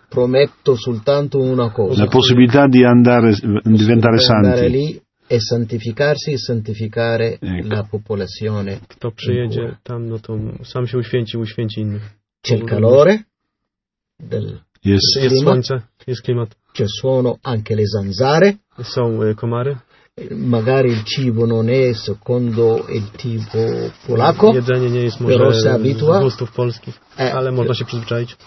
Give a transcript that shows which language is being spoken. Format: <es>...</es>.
<it>Prometto soltanto una cosa. La possibilità di andare diventare santi. Andare lì e santificarsi e santificare la popolazione.</it> <pl>Kto przyjedzie tam, no to sam się uświęci, uświęci innych.</pl> <it>C'è il calore del</it> <pl>słońce, jest klimat.</pl> <it>Ci sono anche le zanzare.</it> <pl>Są komary.</pl> <it>Magari il cibo non è secondo il tipo polacco,</it> <pl>jedzenie nie jest może z gustów polskich, ale można się przyzwyczaić.</pl>